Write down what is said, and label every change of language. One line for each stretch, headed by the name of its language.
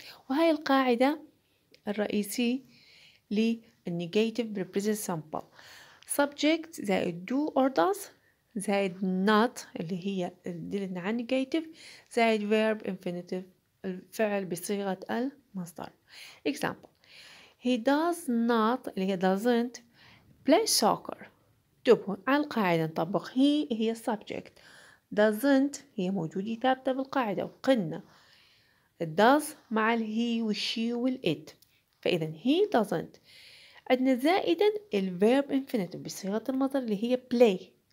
Arabic: وهي القاعدة الرئيسية للنيجاتيف بالبريزنت سامبل. subject زائد do or does زائد not اللي هي دلنا عن نيجاتيف زائد verb infinitive الفعل بصيغة المصدر.
English: example he does not
Arabic: اللي هي
English: doesn't play soccer.
Arabic: تبه على القاعدة نطبق he هي subject doesn't هي موجودة ثابتة بالقاعدة وقلنا does مع ال he وال she وال it. فإذا
English: he doesn't
Arabic: عندنا زائدا ال verb infinitive بصيغة المصدر اللي هي play.